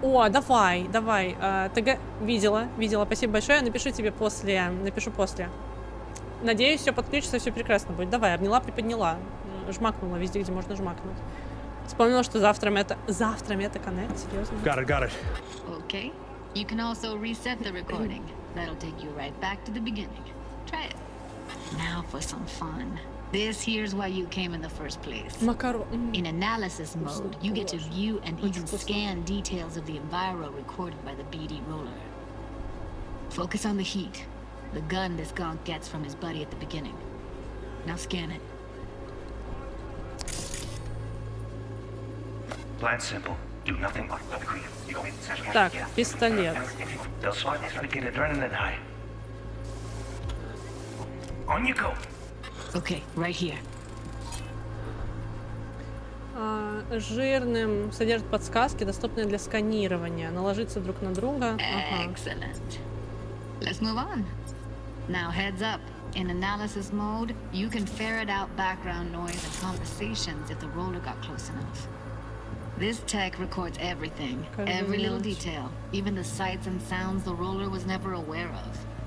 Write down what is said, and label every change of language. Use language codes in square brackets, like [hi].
[ru] О, давай. Видела. Спасибо большое. Напишу после. Надеюсь, все подключится, все прекрасно будет. Давай, обняла, приподняла. Жмакнула везде, где можно жмакнуть. Вспомнила, что завтра мета коннект, серьезно? [en] Got it. Okay. You can also reset the recording. That'll take you right back to the beginning. Try it. Now for some fun. This here's why you came in the first place. In analysis mode, you get to view and even scan details of the enviro recorded by the BD roller. Focus on the heat. The gun this gonk gets from his buddy at the beginning. Now scan it. Plan simple. Do nothing but the creep. You go in, snatch the cash. [ru] Так, пистолет. [en] They'll spot this wicked adrenaline high. On you go. Okay, right here. [ru] Жирным содержит подсказки, доступные для сканирования. Наложиться друг на друга. [en] Excellent. Let's move on. Now heads up. In analysis mode, you can ferret out background noise and conversations if the roller got close enough. This tech records everything, every little detail, even the sights and sounds the roller was never aware of.